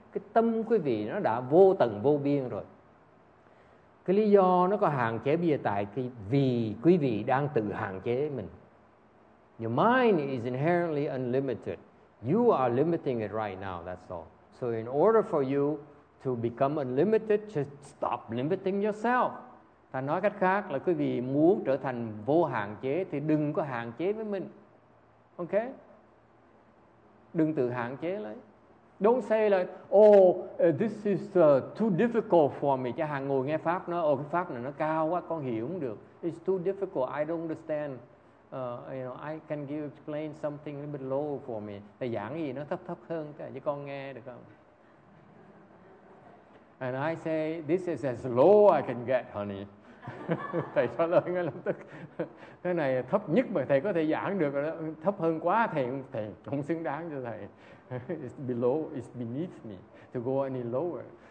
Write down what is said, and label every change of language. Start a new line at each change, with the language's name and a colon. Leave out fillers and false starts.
Vietnamese: Cái tâm quý vị nó đã vô tận vô biên rồi. Cái lý do nó có hạn chế bây giờ tại vì quý vị đang tự hạn chế mình.
English: Your mind is inherently unlimited. You are limiting it right now, that's all. So in order for you to become unlimited, just stop limiting yourself.
Vietnamese: Ta nói cách khác là quý vị muốn trở thành vô hạn chế thì đừng có hạn chế với mình. Ok? Đừng tự hạn chế lấy.
English: Don't say like, oh, this is too difficult for me.
Vietnamese: Chứ hàng ngồi nghe pháp nó, cái pháp này nó cao quá, con hiểu không được.
English: It's too difficult, I don't understand. I can you explain something a little bit low for me?
Vietnamese: Thầy giảng gì nó thấp hơn cho con nghe được không?
English: And I say, this is as low I can get, honey.
Vietnamese: Thầy trả lời ngay lập tức. Cái này thấp nhất mà thầy có thể giảng được. Thấp hơn quá thầy không xứng đáng cho thầy.
English: It's below, it's beneath me to go any lower.